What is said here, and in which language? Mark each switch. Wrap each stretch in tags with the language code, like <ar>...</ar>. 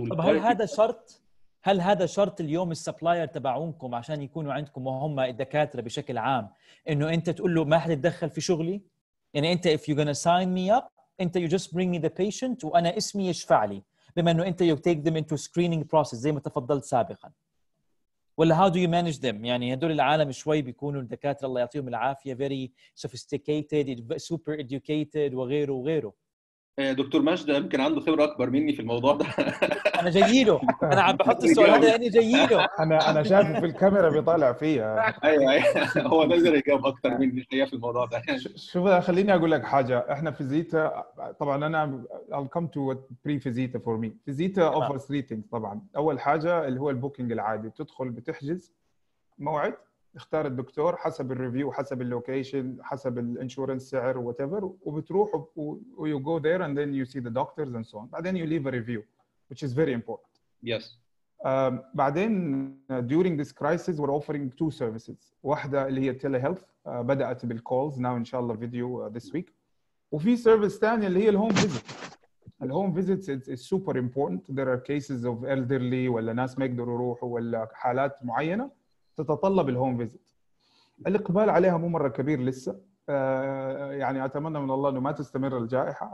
<ar>طب هل هذا شرط اليوم السبلاير تبعونكم عشان يكونوا عندكم وهم الدكاترة بشكل عام، انه انت تقول له ما حد يتدخل في شغلي؟ يعني انت</ar> <en>if you're gonna sign me up</en> <ar>انت</ar> <en>you just bring me the patient</en> <ar>وانا اسمي يشفع لي، بما انه انت</ar> <en>you take them into screening process</en> <ar>زي ما تفضلت سابقا، ولا</ar> <en>how do you manage them؟</en> <ar>يعني هدول العالم شوي بيكونوا الدكاترة الله يعطيهم العافية</ar> <en>very sophisticated super educated</en> <ar>وغيره وغيره. دكتور ماجد يمكن عنده خبرة اكبر مني في الموضوع ده. انا جايله، انا عم بحط السؤال هذا لاني جايله. انا شايفه في الكاميرا بيطالع فيها. ايوه هو نازل يجاوب اكتر مني في الموضوع ده. شوف خليني اقول لك حاجة. احنا في زيتا طبعا انا</ar> <en>I'll come to what pre-Visita for me. Visita offers three things طبعا.</en> <ar>اول حاجة اللي هو البوكينج العادي، تدخل بتحجز موعد، اختار الدكتور حسب الريفيو حسب اللوكيشن حسب الانشورنس سعر whatever، وبتروح</ar> <en>you go there and then you see the doctors and so on.</en> <ar>بعدين</ar> <en>you leave a review which is very important. Yes. بعدين during this crisis we're offering two services.</en> <ar>واحدة اللي هي telehealth بدأت بالcalls now إن شاء الله</ar> <en>video this week.</en> <ar>وفي service تانية اللي هي الhome visit.</ar> <en>الhome visits is super important. There are cases of elderly</en> <ar>ولا ناس ما يقدروا يروحوا ولا حالات معينة تتطلب الهوم فيزيت. الإقبال عليها مو مرة كبير لسه، يعني أتمنى من الله أنه ما تستمر الجائحة.</ar>